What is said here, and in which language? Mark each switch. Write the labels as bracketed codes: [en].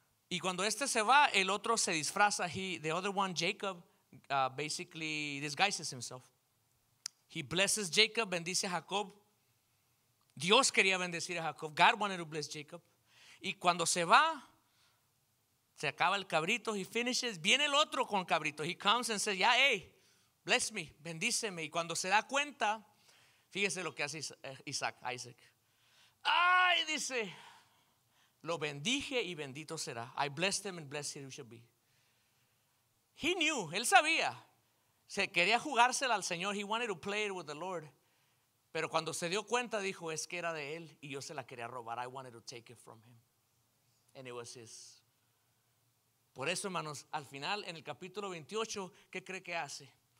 [es] Y cuando este se va, el otro se disfraza. [en] The other one, Jacob, basically disguises himself. He blesses Jacob, [es] bendice a Jacob. Dios quería bendecir a Jacob. [en] God wanted to bless Jacob. [es] Y cuando se va, se acaba el cabrito, [en] he finishes. [es] Viene el otro con cabrito. [en] He comes and says, yeah, hey, bless me, [es] bendíceme. Y cuando se da cuenta, fíjese lo que hace Isaac. Ay, dice, lo bendije y bendito será. [en] I blessed him and blessed he shall be. He knew, [es] él sabía. Se quería jugársela al Señor. [en] He wanted to play it with the Lord. [es] Pero cuando se dio cuenta, dijo, es que era de él y yo se la quería robar. [en] I wanted to take it from him. And it was his. [es] Por eso, hermanos, al final, en el capítulo 28, ¿qué cree que hace?